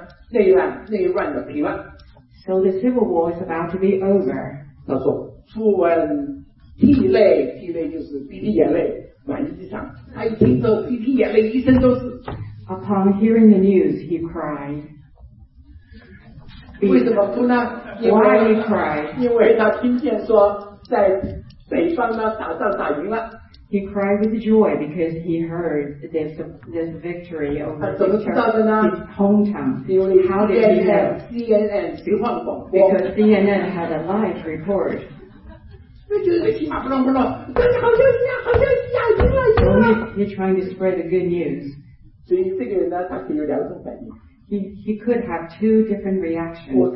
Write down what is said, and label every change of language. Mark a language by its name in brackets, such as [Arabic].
[Chinese] 现在内战要平了，因为那个带头的自杀了，所以呢，这下呢，内乱的平了。 [English] So the civil war is about to be over. [Chinese] 他说，出闻涕泪，涕泪就是鼻涕眼泪满地上。他一听之后，鼻涕眼泪一身都是。 [English] Upon hearing the news, he cried. [Chinese] 为什么哭呢？因为 [English] Why he cried? [Chinese] 因为他听见说。在北方呢，打仗打赢了。 [English] He cried with joy because he heard this victory over victor, his hometown. [Chinese] 他怎么知道的呢？ [English] How did he know? [Chinese] CNN 实况广播。 [English] Because CNN had a live report. [Chinese] 那就是个喜马不乱不乱，这是好消息啊，好消息啊，赢了赢了。 [English] So he's trying to spread the good news. [Chinese] 所以这个人呢，他可以有两种反应。 [English] He could have two different reactions.